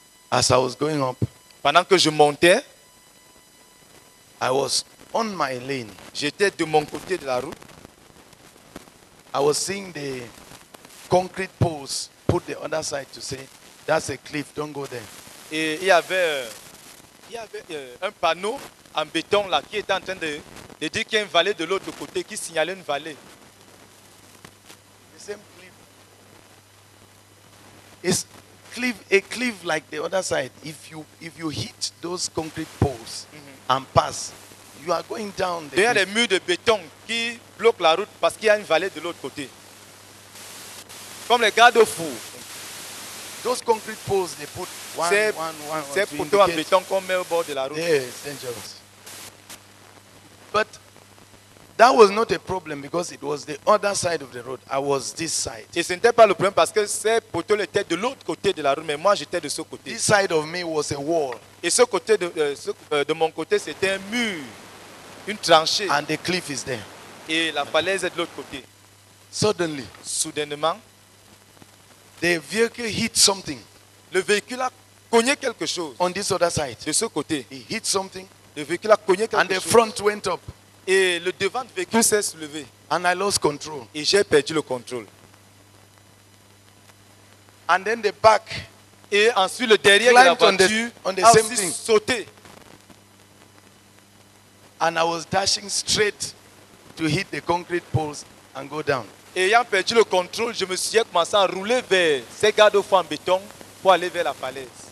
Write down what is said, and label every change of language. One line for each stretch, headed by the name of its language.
English: As I was going up,
French: pendant que je montais,
English: I was on my lane.
French: J'étais de mon côté de la route.
English: I was seeing the concrete poles put the other side to say, that's a cliff, don't go there.
French: Et il y avait un panneau en béton là qui était en train de dire qu'il y a une vallée de l'autre côté qui signalait une vallée.
English: The same cliff. It's a cliff like the other side. If you hit those concrete poles and pass, you are going down.
French: Il y a des murs de béton qui bloquent la route parce qu'il y a une vallée de l'autre côté. Comme les garde-fous.
English: Those concrete poles they put one.
French: C'est poteau en béton qu'on met au bord de la route.
English: Yeah, it's dangerous. But that was not a problem because it was the other side of the road. I was this side.
French: Et ce n'était pas le problème parce que ces poteaux étaient de l'autre côté de la route, mais moi j'étais de ce côté.
English: This side of me was a wall.
French: Et ce côté de mon côté c'était un mur, une tranchée.
English: And the cliff is there.
French: Et la falaise est de l'autre côté.
English: Suddenly,
French: soudainement,
English: the vehicle hit something.
French: Le véhicule a cogné quelque chose.
English: On this other side.
French: De ce côté.
English: It hit something.
French: Le véhicule a cogné quelque chose.
English: And the front went up.
French: Et le devant du véhicule s'est soulevé.
English: And I lost control.
French: Et j'ai perdu le contrôle.
English: And then the back.
French: Et ensuite le derrière de la voiture on the a
English: same
French: aussi
English: thing.
French: Sauté.
English: And I was dashing straight to hit the concrete poles and go down.
French: Et ayant perdu le contrôle, je me suis commencé à rouler vers ces garde-fous en béton pour aller vers la falaise.